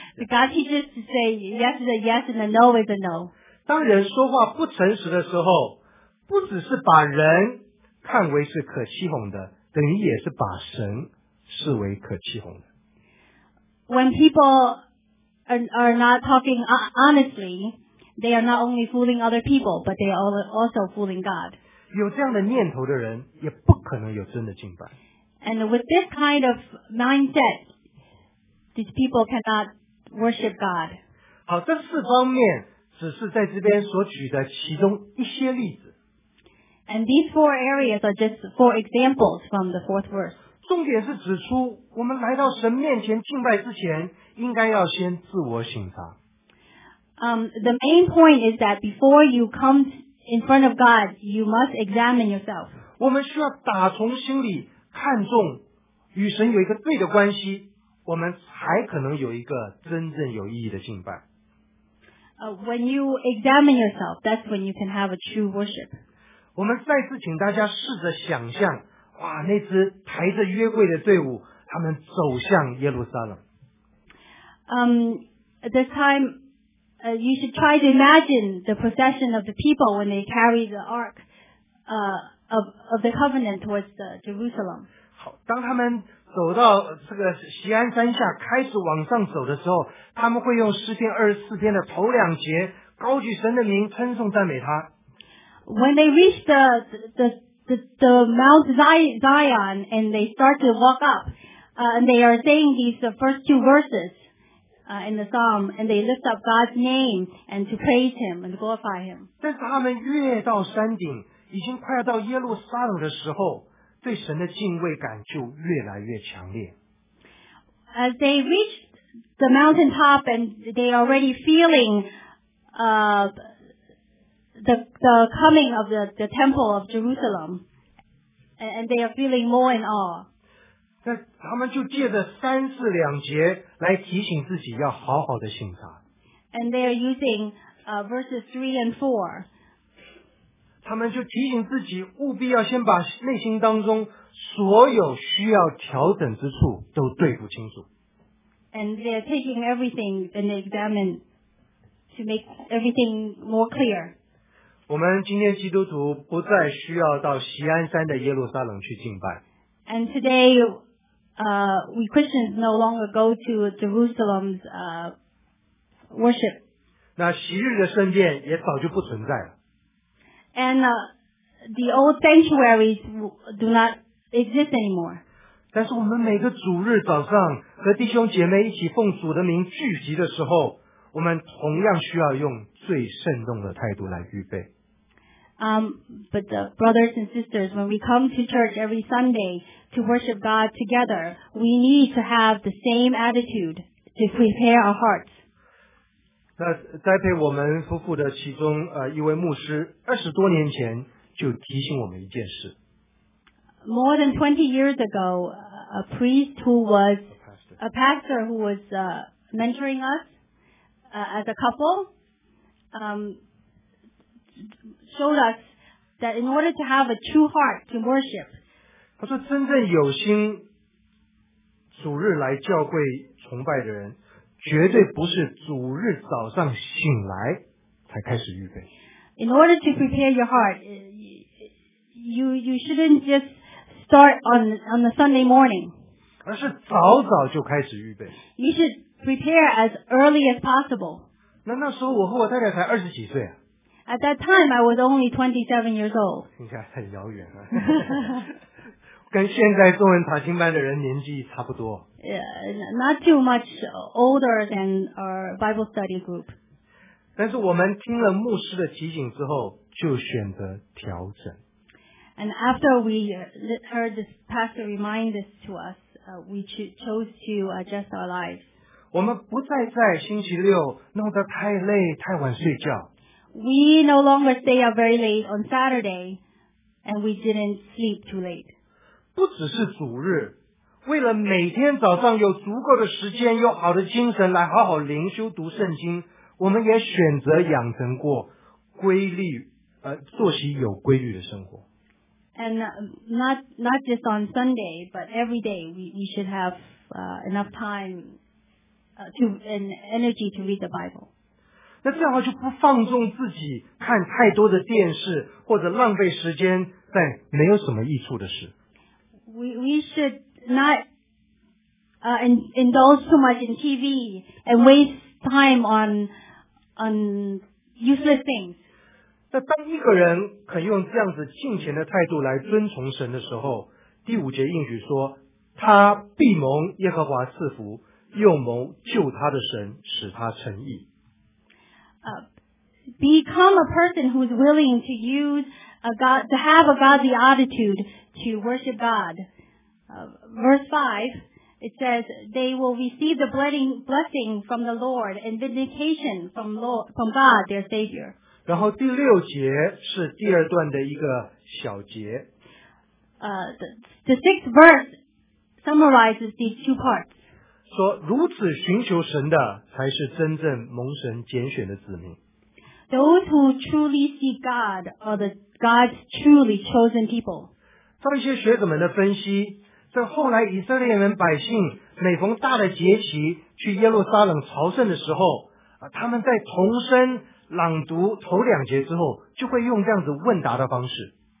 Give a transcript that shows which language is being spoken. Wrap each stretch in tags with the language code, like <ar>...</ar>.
<en>God teaches to say yes is a yes and a no is a no.</en> <zh>当人说话不诚实的时候，不只是把人看为是可欺哄的，等于也是把神视为可欺哄的。</zh> <en>When people are not talking honestly, they are not only fooling other people, but they are also fooling God.</en> <zh>有这样的念头的人，也不可能有真的敬拜。</zh> <en>And with this kind of mindset, these people cannot worship God.</en> <zh>好，这四方面只是在这边所举的其中一些例子。</zh> <en>And these four areas are just four examples from the fourth verse.</en> <zh>重点是指出，我们来到神面前敬拜之前，应该要先自我省察。</zh> <en>The main point is that before you come in front of God, you must examine yourself.</en> <zh>我们需要打从心里看重与神有一个对的关系，我们才可能有一个真正有意义的敬拜。</zh> <en>When you examine yourself, that's when you can have a true worship.</en> <zh>我们再次请大家试着想象，哇，那支抬着约柜的队伍，他们走向耶路撒冷。</zh> <en>This time, you should try to imagine the procession of the people when they carry the ark, of the covenant towards the Jerusalem.</en> <zh>好，当他们走到这个锡安山下开始往上走的时候，他们会用诗篇二十四篇的头两节高举神的名称颂赞美他。</zh> <en>When they reach the Mount Zion and they start to walk up, and they are saying these first two verses, in the psalm, and they lift up God's name and to praise Him and glorify Him.</en> <zh>但是他们越到山顶，已经快要到耶路撒冷的时候，对神的敬畏感就越来越强烈。</zh> <en>As they reach the mountain top and they already feeling, the coming of the temple of Jerusalem, and they are feeling more in awe.</en> <zh>那他们就借着三四两节来提醒自己要好好的省察。</zh> <en>And they are using verses 3 and 4.</en> <zh>他们就提醒自己务必要先把内心当中所有需要调整之处都对付清楚。</zh> <en>And they are taking everything and examine to make everything more clear.</en> <zh>我们今天基督徒不再需要到锡安山的耶路撒冷去敬拜。</zh> <en>And today,we Christians no longer go to Jerusalem's worship.</en> <zh>那昔日的圣殿也早就不存在了。</zh> <en>And the old sanctuaries do not exist anymore.</en> <zh>但是我们每个主日早上和弟兄姐妹一起奉主的名聚集的时候，我们同样需要用最慎重的态度来预备。</zh> <en>But the brothers and sisters, when we come to church every Sunday to worship God together, we need to have the same attitude to prepare our hearts.</en> <zh>那栽培我们夫妇的其中一位牧师二十多年前就提醒我们一件事。</zh> <en>More than 20 years ago, a priest who was a pastor who was mentoring us as a couple, showed us that in order to have a true heart to worship.</en> <zh>他说真正有心主日来教会崇拜的人，绝对不是主日早上醒来才开始预备。</zh> <en>In order to prepare your heart, you shouldn't just start on the Sunday morning.</en> <zh>而是早早就开始预备。</zh> <en>You should prepare as early as possible.</en> <zh>那时候我和我太太才二十几岁啊。 At that time, I was only 27 years old. 听起来很遥远啊。跟现在中文查经班的人年纪差不多。</zh> <en>Not too much older than our Bible study group.</en> <zh>但是我们听了牧师的提醒之后，就选择调整。</zh> <en>And after we heard this pastor remind this to us, we chose to adjust our lives.</en> <zh>我们不再在星期六弄得太累，太晚睡觉。</zh> <en>We no longer stay up very late on Saturday, and we didn't sleep too late.</en> <zh>不只是主日，为了每天早上有足够的时间，有好的精神来好好灵修读圣经，我们也选择养成过规律，作息有规律的生活。</zh> <en>And not just on Sunday, but every day we should have enough time to and energy to read the Bible.</en> <zh>那这样的话就不放纵自己看太多的电视，或者浪费时间在没有什么益处的事。</zh> <en>We should not indulge too much in TV and waste time on useless things.</en> <zh>那当一个人肯用这样子敬虔的态度来遵从神的时候，第五节应许说，他必蒙耶和华赐福，又蒙救他的神使他称义。</zh> <en>Become a person who is willing to use a God, to have a godly attitude to worship God. Verse 5, it says, they will receive the blessing from the Lord and vindication from God, their Savior.</en> <zh>然后第六节是第二段的一个小节。</zh> <en>The sixth verse summarizes these two parts.</en> <zh>说如此寻求神的才是真正蒙神拣选的子民。</zh> <en>Those who truly seek God are the God's truly chosen people.</en> <zh>照一些学者们的分析，在后来以色列人百姓每逢大的节期去耶路撒冷朝圣的时候，他们在同声朗读头两节之后，就会用这样子问答的方式。</zh>